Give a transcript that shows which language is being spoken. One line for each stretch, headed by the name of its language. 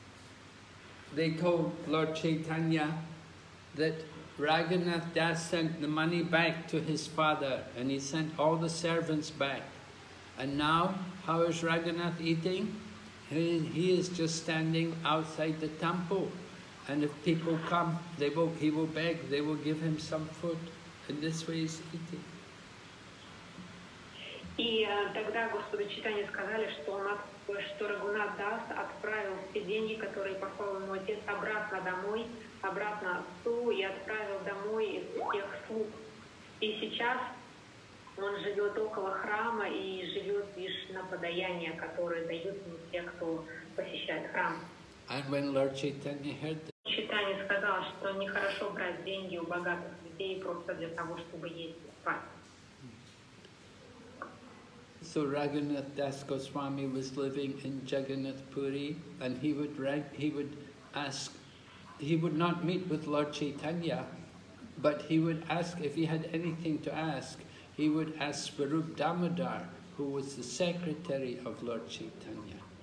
English: So, they told Lord Chaitanya that Raghunath Das sent the money back to his father, and he sent all the servants back. And now, how is Raghunath eating? He is just standing outside the temple. And if people come, he will beg, they will give him some food. And this way he's eating.
Russian: И тогда Господу Чайтанье сказали, что Рагунат Дас отправил все деньги, которые послал ему отец, обратно домой. Обратно отцу и отправил домой всех слуг. И сейчас он живет около храма и живет лишь на подаяние, которое дают ему те, кто посещает храм.
English: And when Lord Chaitanya heard that,
Russian: Chaitanya сказал, что нехорошо брать деньги у богатых людей просто для того, чтобы есть и спать.
English: So Raghunath Das Goswami was living in Jagannath Puri, and he would not meet with Lord Chaitanya, but he would ask, if he had anything to ask, he would ask Swarup Damodar, who was the secretary of Lord Chaitanya.